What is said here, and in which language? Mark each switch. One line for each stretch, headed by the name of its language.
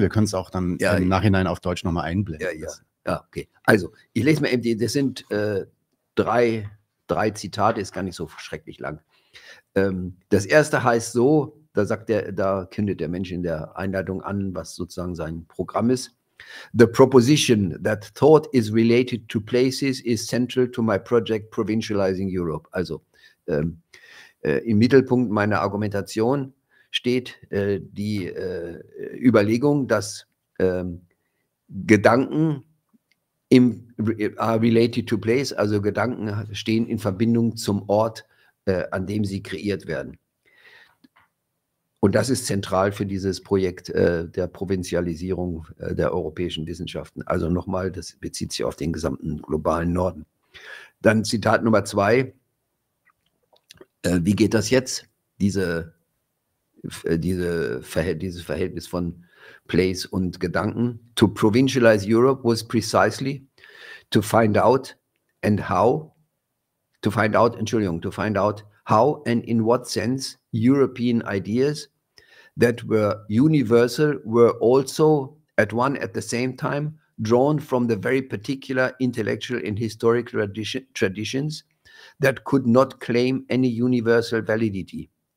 German: Wir können es auch dann im Nachhinein auf Deutsch nochmal einblenden. Ja, okay. Also, ich lese mal eben, das sind drei Zitate, ist gar nicht so schrecklich lang. Das erste heißt so, da kündet der Mensch in der Einleitung an, was sozusagen sein Programm ist.
English: The proposition that thought is related to places is central to my project Provincializing Europe.
German: Also im Mittelpunkt meiner Argumentation steht die Überlegung, dass Gedanken
English: are related to place,
German: also Gedanken stehen in Verbindung zum Ort, an dem sie kreiert werden. Und das ist zentral für dieses Projekt der Provinzialisierung der europäischen Wissenschaften. Also nochmal, das bezieht sich auf den gesamten globalen Norden. Dann Zitat Nummer zwei. Wie geht das jetzt, dieses Verhältnis von Place und Gedanken?
English: To provincialize Europe was precisely to find out how and in what sense European ideas that were universal were also at the same time drawn from the very particular intellectual and historical traditions that could not claim any universal validity.